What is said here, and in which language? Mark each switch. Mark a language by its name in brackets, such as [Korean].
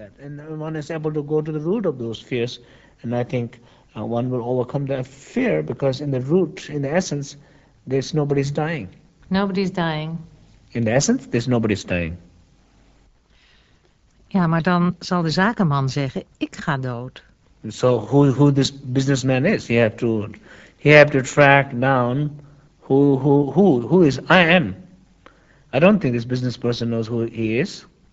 [English] En one is able to go to the root of those fears. And I think one will overcome that fear because in the root, in the essence, there's nobody's dying. Nobody's dying. In the essence, there's nobody's dying. [Dutch] Ja, maar dan zal de zakenman zeggen: ik ga dood. [English] So who this businessman is? He have to track down who is I am. I don't think this business person knows who he is.